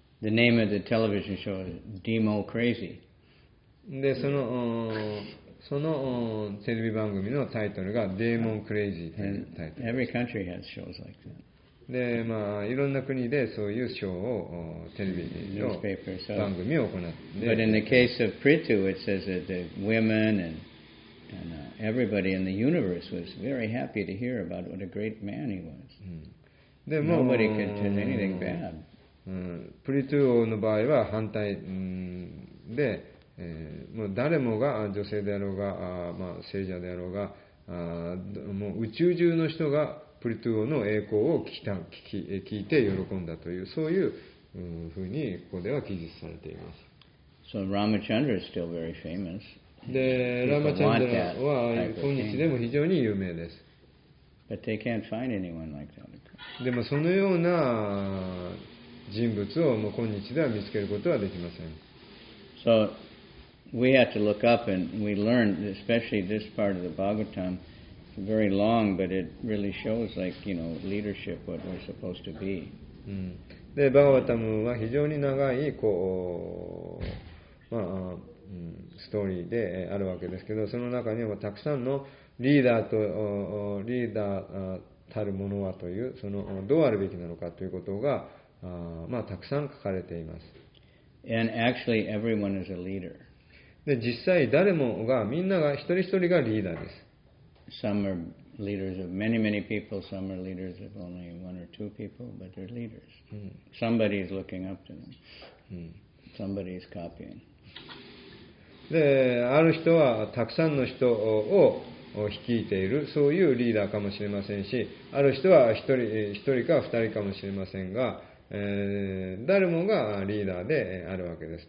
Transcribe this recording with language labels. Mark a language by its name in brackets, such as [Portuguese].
[English] The name of the television show is Demo Crazy. [Japanese] でそのそのテレビ番組のタイトルがデーモンクレイジーというタイトルです。 [English] Every country has shows like that. [Japanese] で、まあ、いろんな国でそういうショーをテレビの番組を行って [English] 。But in the case of Prithu, it says that the women and everybody in the universe was very happy to hear about what a great man he was. [Japanese] でも、 [English] Nobody could do anything bad. [Japanese] Prithu の場合は反対で、もう誰もが女性であろうが、まあ、聖者であろうが、もう宇宙中の人がプリトゥオの栄光を聞いて喜んだというそういう、ふうにここでは記述されています。 [English] So Ramachandra is still very famous. [Japanese] で、ラマチャンドラは今日でも非常に有名です。 [English] But they can't find anyone like that. [Japanese] でもそのような人物をもう今日では見つけることはできません。 [English] So we have to look up and we learn, especially this part of the Bhagavatam. Very long, but it really shows, like you know, leadership what we're supposed to be. [Japanese] で、バガヴァタムは非常に長いこう、まあ、ストーリーであるわけですけど、その中にはたくさんのリーダーたるものはというそのどうあるべきなのかということが、まあ、たくさん書かれています。 [English] And actually, everyone is a leader. [Japanese] で、実際誰もがみんなが一人一人がリーダーです。 [English] Some are leaders of many, many people. Some are leaders of only one or two people, but they're leaders. Somebody is looking up to them. Somebody is copying. [Japanese] で、ある人はたくさんの人を率いている、そういうリーダーかもしれませんし、ある人は一人か二人かもしれませんが、誰もがリーダーであるわけです。